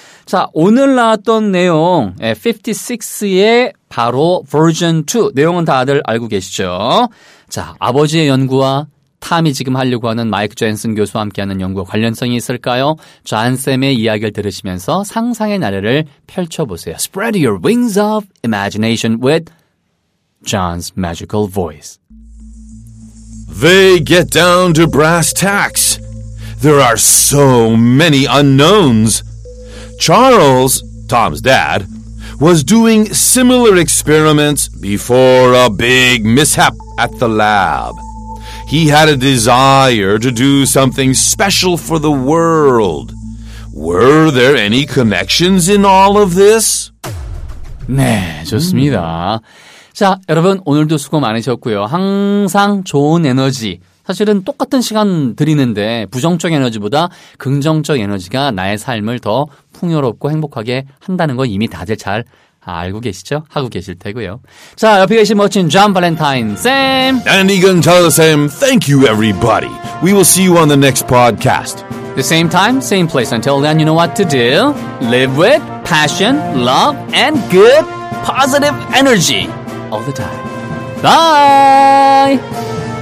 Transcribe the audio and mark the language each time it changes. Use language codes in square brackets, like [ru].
[ko] 자 오늘 나왔던 내용 56의 바로 version 2 내용은 다들 알고 계시죠. 자 아버지의 연구와 탐이 지금 하려고 하는 마이크 존슨 교수와 함께하는 연구와 관련성이 있을까요? 존쌤의 이야기를 들으시면서 상상의 나래를 펼쳐보세요. [en] Spread your wings of imagination with John's magical voice. They get down to brass tacks. There are so many unknowns. Charles, Tom's dad, was doing similar experiments before a big mishap at the lab. He had a desire to do something special for the world. Were there any connections in all of this? [ko] 네, 좋습니다. 자, 여러분 오늘도 수고 많으셨고요. 항상 좋은 에너지. 사실은 똑같은 시간 드리는데 부정적 에너지보다 긍정적 에너지가 나의 삶을 더 풍요롭고 행복하게 한다는 건 이미 다들 잘 알고 계시죠? 하고 계실 테고요. 자, 옆에 계신 멋진 존 발렌타인 쌤. [en] And 이근철 쌤, thank you everybody. We will see you on the next podcast. The same time, same place. Until then, you know what to do. Live with passion, love, and good positive energy. All the time. Bye!